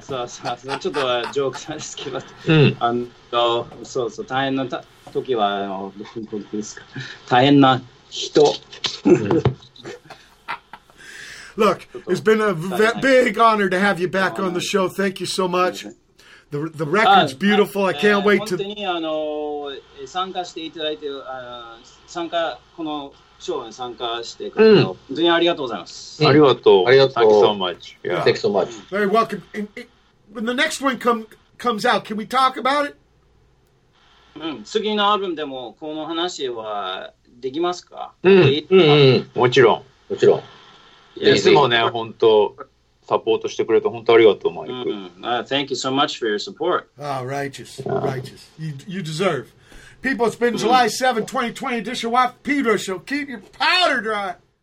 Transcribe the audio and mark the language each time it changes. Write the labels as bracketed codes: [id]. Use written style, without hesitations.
[ja] So, ちょっとジョークなんですけど。あの、そうそう、大変な時は、どういうことですか。大変な人。 [en] Look, it's been a big honor to have you back on the show. Thank you so much. The record's beautiful. I can't wait to... [ja] 本当にあの参加していただいて、参加、このショーに参加してくれて、本当にありがとうございます。ありがとう。ありがとう。 [en] Thank you so much. Yeah. Thank you so much. Very welcome. When the next one comes out, can we talk about it? [ja] 次のアルバムでもこの話はできますか？もちろん。もちろん。いつもね、本当サポートしてくれて本当ありがとう、マイク。 [en] Thank you so much for your support. Ah,、oh, righteous, righteous. You deserve. People, it's been July 7, 2020 edition of Pedro Show. Keep your powder dry.